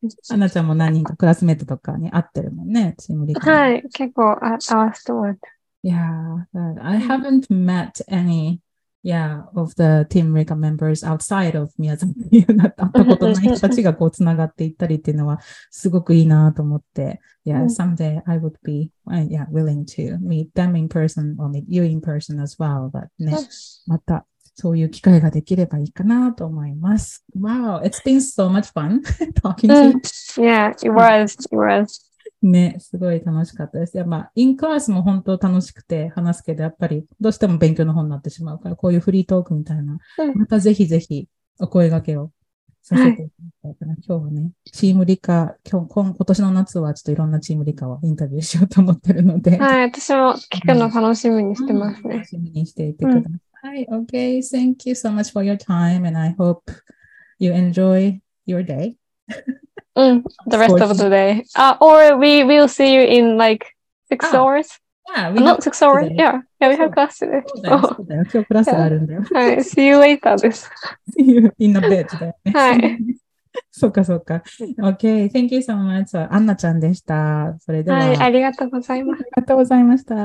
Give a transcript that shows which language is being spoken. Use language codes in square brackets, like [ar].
[ja] アナちゃんも何人かクラスメートとかに会ってるもんね、チームリーダー。はい、結構会わせてもらった。 [en] Yeah, I haven't met any, yeah, of the Team Rika members outside of Miyazaki. [ja] 会ったことない人たちがこうつながっていったりっていうのはすごくいいなと思って。 [en] Yeah, someday I would be, yeah, willing to meet them in person or meet you in person as well. [ja] But ね、またそういう機会ができればいいかなと思います。 [en] Wow, it's been so much fun talking to you. Yeah, it was. [ja] ね、すごい楽しかったです。いや、まあ、インクラスも本当楽しくて話すけど、やっぱりどうしても勉強の方になってしまうから、こういうフリートークみたいな、またぜひぜひお声掛けをさせていただきたいかな。今日はね、チームリカ、今年の夏はちょっといろんなチームリカをインタビューしようと思ってるので。はい、私も聞くの楽しみにしてますね。楽しみにしていてください。はい、Okay. [en] Thank you so much for your time and I hope you enjoy your day. Mm, the rest of the day. Or we will see you in like 6 hours. Yeah, not 6 hours. Today. Yeah. Yeah, we have class today. [ja] そうだよ。そうだよ。今日クラスあるんだよ。はい。 [en] See you later. This. See you in a bit. Okay, thank you so much. [ja] Anna-chanでした. それでは。はい、ありがとうございます。ありがとうございました。